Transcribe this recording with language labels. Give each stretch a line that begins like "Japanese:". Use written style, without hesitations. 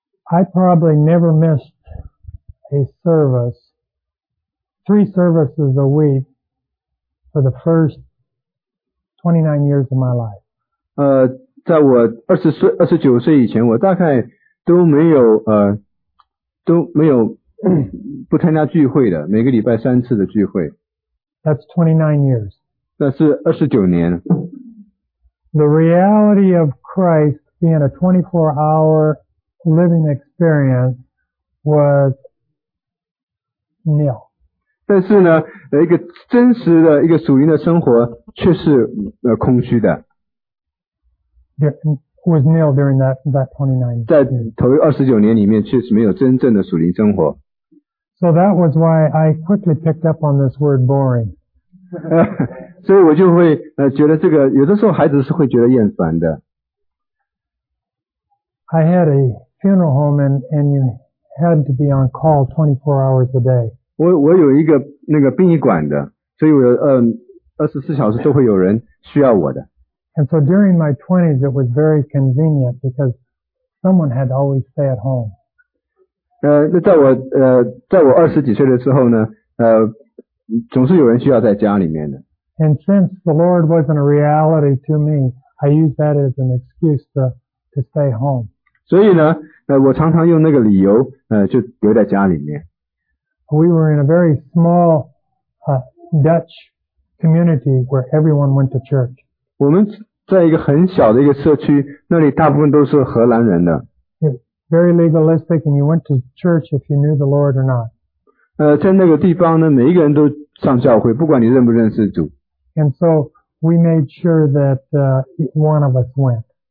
English: I probably never missed a service, three services a week for the first 29 years of my life.
Chinese: 在我29岁以前，我大概都没有不参加聚会的，每个礼拜三次的聚会。
English: That's 29 years.
Chinese: 那是29年。
English: The reality of Christ being a 24-hour living experience was nil.
Chinese: 但是呢，一个真实的一个属灵的生活却是空虚的。
English: Was nil during that 29 years.
Chinese: 在头29年里面，确实没有真正的属灵生活。
English: So that was why I quickly picked up on this word boring.
Chinese: 所以我就会觉得这个有的时候孩子是会觉得厌烦的。
English: I had a funeral home and you had to be on call 24 hours a day.
Chinese: 我有一个那个殡仪馆的，所以我24小时都会有人需要我的。
English: And so during my 20s, it was very convenient because someone had to always stay at home.
Chinese: 在我二十几岁的时候呢，总是有人需要在家里面的。
English: And since the Lord wasn't a reality to me, I used that as an excuse to stay home.
Chinese: 所以呢，我常常用那个理由，就留在家里面。
English: We were in a very small Dutch community where everyone went to church.
Chinese: 我们在一个很小的一个社区，那里大部分都是荷兰人的。
English: Very legalistic, and you went to church if you knew the Lord or not.
Chinese: 在那个地方呢，每一个人都上教会，不管你认不认识主。
English: And so we made sure that one of us went.